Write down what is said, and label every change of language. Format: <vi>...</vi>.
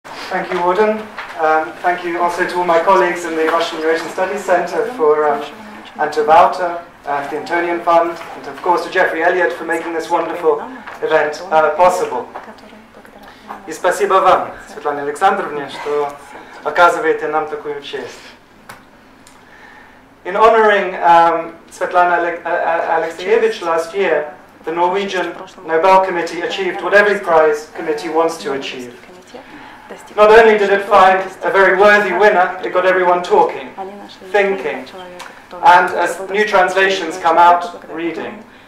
<en>Thank you, Warden. Thank you also to all my colleagues in the Russian Eurasian Studies Center and to Wouter, the Antonian Fund, and of course to Jeffrey Elliott for making this wonderful event possible.</en> <ru>И спасибо вам, Светлане Александровне, что оказываете нам такую честь.</ru> <en>In honoring Svetlana Alexievich last year, the Norwegian Nobel Committee achieved what every prize committee wants to achieve. Not only did it find a very worthy winner, it got everyone talking, thinking, and as new translations come out, reading.</en>